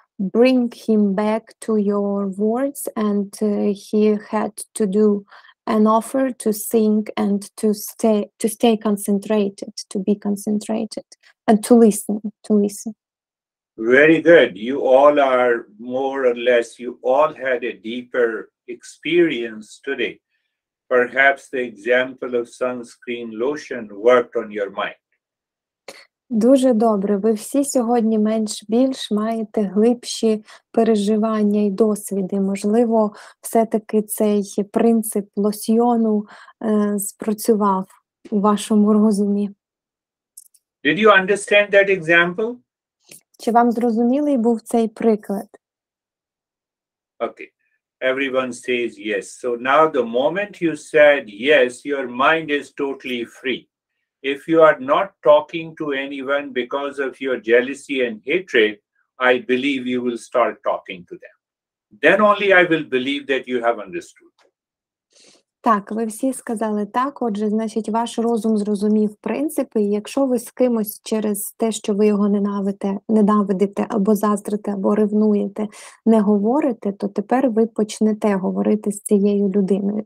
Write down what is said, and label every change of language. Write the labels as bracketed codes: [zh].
[en] bring him back to your words, and he had to do an offer to think and to stay concentrated, to be concentrated and to listen. Very good. You all are more or less, you all had a deeper experience today. Perhaps the example of sunscreen lotion worked on your mind. [uk] Дуже добре. Ви всі сьогодні менш-більш маєте глибші переживання і досвіди. Можливо, все-таки цей принцип лосьйону спрацював у вашому розумі. [en] Did you understand that example? [uk] Чи вам зрозумілий був цей приклад? [en] Okay. Everyone says yes. So now the moment you said yes, your mind is totally free. If you are not talking to anyone because of your jealousy and hatred, I believe you will start talking to them. Then only I will believe that you have understood. [uk] Так, ви всі сказали так, отже, значить, ваш розум зрозумів принципи, і якщо ви з кимось через те, що ви його ненавидите, або заздрите, або ревнуєте, не говорите, то тепер ви почнете говорити з цією людиною.